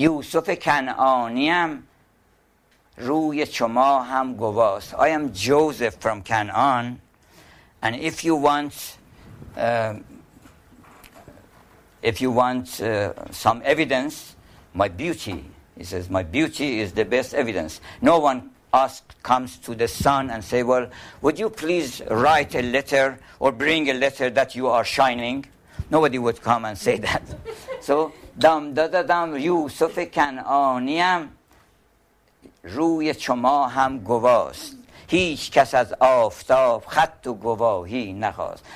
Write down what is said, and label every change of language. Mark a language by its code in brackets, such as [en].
[fa] یوسف کنعانی هم روی شما هم گواست. [en] I am Joseph from Canaan, and if you want some evidence, my beauty, he says, my beauty is the best evidence. No one comes to the sun and say, well, would you please write a letter or bring a letter that you are shining? Nobody would come and say that. [fa] So, dam da da dam, Yusuf Kanaaniam روی شما هم گواست. هیچ کس از آفتاب خط و گواهی نخواست.